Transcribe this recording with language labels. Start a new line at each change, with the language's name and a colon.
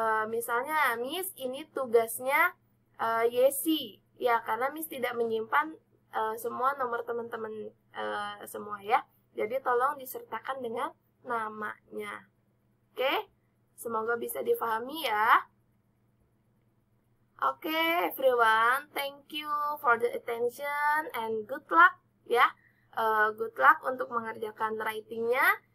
Indonesian: Misalnya, Miss, ini tugasnya Yesi. Ya, karena Miss tidak menyimpan semua nomor teman-teman semua ya. Jadi, tolong disertakan dengan namanya. Oke, semoga bisa difahami ya.
English: Oke, everyone, thank you for the attention and good luck ya. Good luck
Indonesian: untuk mengerjakan writing-nya.